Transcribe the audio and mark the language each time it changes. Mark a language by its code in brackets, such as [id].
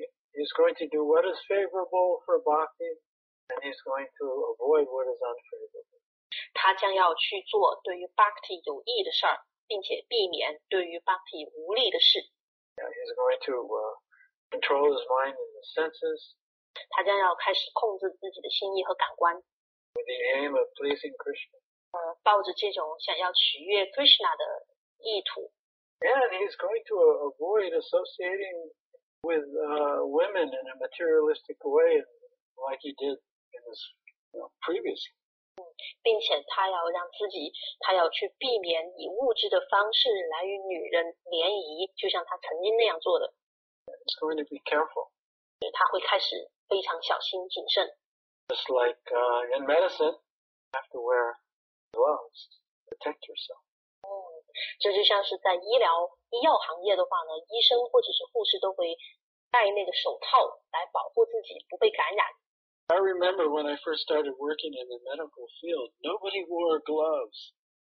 [en] He's going to do what is favorable for Bhakti, and he's going to avoid what is unfavorable. [zh] 他将要去做对于 Bhakti 有益的事，并且避免对于 Bhakti 无利的事。 [en] Yeah, he's going to control his mind and his senses. [zh] 他将要开始控制自己的心意和感官。 [en] With the aim of pleasing Krishna. [zh] 抱着这种想要取悦 Krishna 的意图。 [en] And he's going to avoid associating with women in a materialistic way, like he did in his previous. [zh] 并且他要让自己，他要去避免以物质的方式来与女人联谊，就像他曾经那样做的。 [en] He's going to be careful. [zh] 他会开始非常小心谨慎。 [en] Just like in medicine, you have to wear gloves to protect yourself. [zh] 这就像是在医药行业的话呢，医生或者是护士都会戴那个手套来保护自己不被感染。 [en] I remember when I first started working in the medical field, nobody wore gloves.